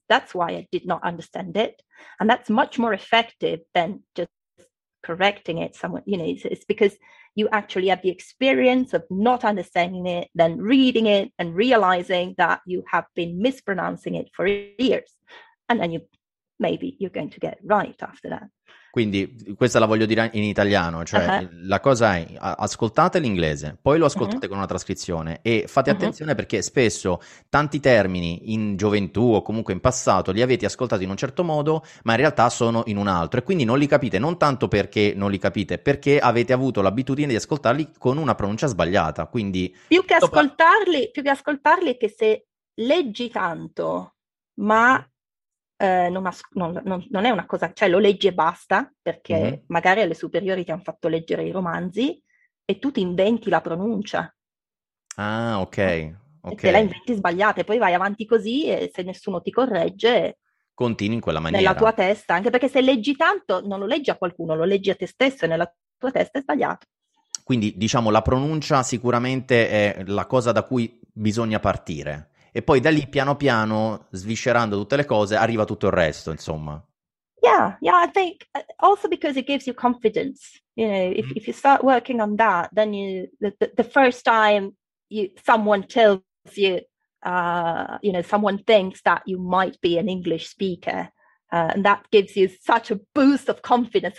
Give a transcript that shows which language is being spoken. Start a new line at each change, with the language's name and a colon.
English: That's why I did not understand it. And that's much more effective than just correcting it somewhat. It's because you actually have the experience of not understanding it, then reading it and realizing that you have been mispronouncing it for years. And then maybe you're going to get right after that.
Italian: Quindi questa la voglio dire in italiano, cioè la cosa è, ascoltate l'inglese, poi lo ascoltate con una trascrizione e fate attenzione, perché spesso tanti termini in gioventù o comunque in passato li avete ascoltati in un certo modo, ma in realtà sono in un altro, e quindi non li capite, non tanto perché non li capite, perché avete avuto l'abitudine di ascoltarli con una pronuncia sbagliata, quindi... Più che ascoltarli, che se leggi tanto, ma... Non è una cosa, cioè lo leggi e basta, perché magari alle superiori ti hanno fatto leggere i romanzi e tu ti inventi la pronuncia. Ah, ok. E te la inventi sbagliata e poi vai avanti così, e se nessuno ti corregge, continui in quella maniera. Nella tua testa, anche perché se leggi tanto non lo leggi a qualcuno, lo leggi a te stesso e nella tua testa è sbagliato. Quindi diciamo la pronuncia sicuramente è la cosa da cui bisogna partire. E poi da lì, piano piano, sviscerando tutte le cose, arriva tutto il resto, insomma.
English: Yeah, I think also because it gives you confidence. If you start working on that, then the first time someone tells you, someone thinks that you might be an English speaker, and that gives you such a boost of confidence.